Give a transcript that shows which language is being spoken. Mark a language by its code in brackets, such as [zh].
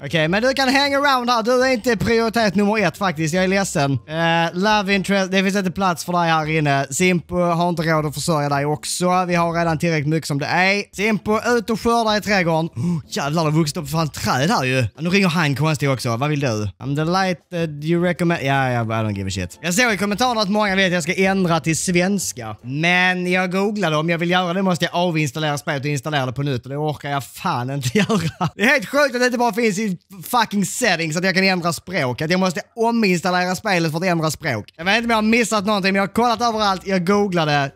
[sv] Okej, men du kan [en] hang around [sv] här. Du är inte prioritet nummer ett faktiskt. Jag är ledsen. Love interest. Det finns inte plats för dig här inne. Simpu har inte råd att försörja dig också. Vi har redan tillräckligt mycket som det är. Simpu, ut och skörda i trädgården. Oh, jävlar, det vuxit upp för fan träd här ju. Nu ringer han konstigt också. Vad vill du? [en] I'm the light that you recommend. Ja, yeah, I don't give a shit. [sv] Jag såg i kommentaren att många vet att jag ska ändra till svenska. Men jag googlade om jag vill göra det. Måste jag avinstallera spelet och installera det på nytt. Och det orkar jag fan inte göra. Det helt sjukt att det inte bara finns i fucking settings att jag kan ändra språk. Att jag måste ominstallera spelet för att ändra språk. Jag vet inte om jag har missat någonting, men jag har kollat överallt. Jag googlade.